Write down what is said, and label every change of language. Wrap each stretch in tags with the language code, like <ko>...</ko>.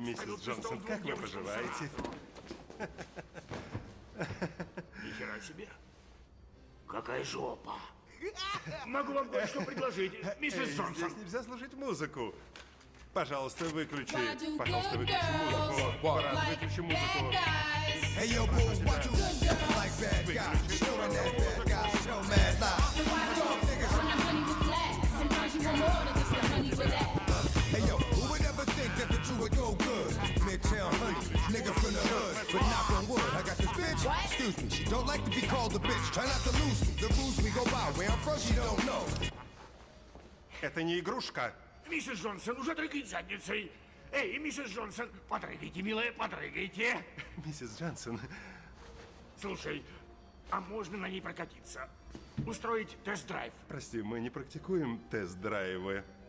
<ru>миссис Джонсон, как вы поживаете? Нихера себе. Какая жопа. Могу вам кое-что предложить, миссис Джонсон. Здесь нельзя слушать музыку. Пожалуйста, выключи. Пожалуйста, выключи музыку. Пора, выключи музыку.</ru> <en>Hey, yo, boo, what you look like, bad guy? Showing that bad guy, show mad life. I'm not funny with class. Sometimes you want more than just a honey with that. Hey, yo, who would ever think that the two would go good? Midtown honey, nigga from the hood, but knock on wood. I got this bitch, excuse me, she don't like to be called a bitch. Try not to lose me, the rules we go by. Where I'm from, she don't know.</en> <ru>Это не игрушка. Миссис Джонсон, уже трогай задницей. Эй, миссис Джонсон, подрыгайте, милая, подрыгайте. Миссис Джонсон. Слушай, а можно на ней прокатиться? Устроить тест-драйв? Прости, мы не практикуем тест-драйвы.</ru>